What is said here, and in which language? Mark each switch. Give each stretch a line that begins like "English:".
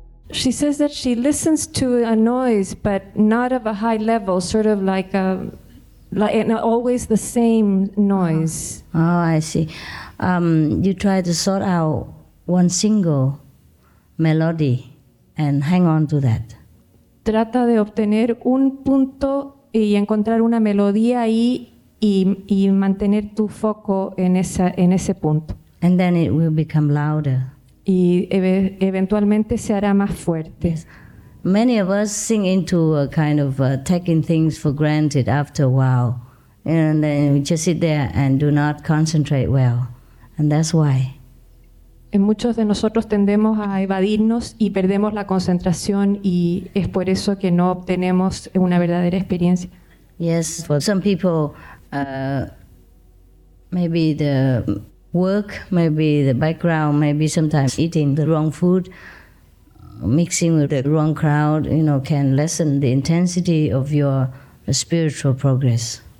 English: She says that she listens to a noise, but not of a high level, sort of like a, like and always the same noise. Oh, I see. You try to sort out one single melody and hang on to that.
Spanish: Trata de obtener un punto y encontrar una melodía ahí y mantener tu foco en esa en ese punto.
English: And then it will become louder.
Spanish: Y eventualmente se hará más fuerte. Yes.
English: Many of us sink into a kind of taking things for granted after a while, and then we just sit there and do not concentrate well, and that's why.
Spanish: En muchos de nosotros tendemos a evadirnos y perdemos la concentración, y es por eso que no obtenemos una verdadera experiencia.
English: Yes, for some people, maybe the work, maybe the background, maybe sometimes eating the wrong food, mixing with the wrong crowd, you know, can lessen the intensity of your spiritual progress.